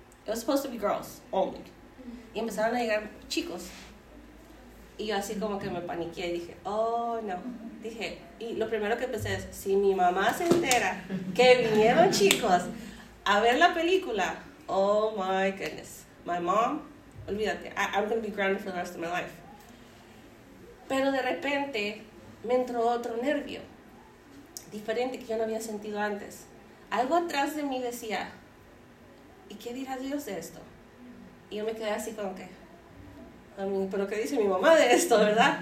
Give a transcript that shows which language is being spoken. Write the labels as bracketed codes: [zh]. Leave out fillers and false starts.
[en] It was supposed to be girls only. [es] Y empezaron a llegar chicos. Y yo así como que me paniqué y dije, oh, no. Dije, y lo primero que pensé es, si mi mamá se entera que vinieron chicos a ver la película, [en] oh, my goodness. My mom, olvídate, I'm going to be grounded for the rest of my life. [es] Pero de repente me entró otro nervio, diferente que yo no había sentido antes. Algo atrás de mí decía, ¿y qué dirá Dios de esto? Y yo me quedé así como que, ¿pero qué dice mi mamá de esto, verdad?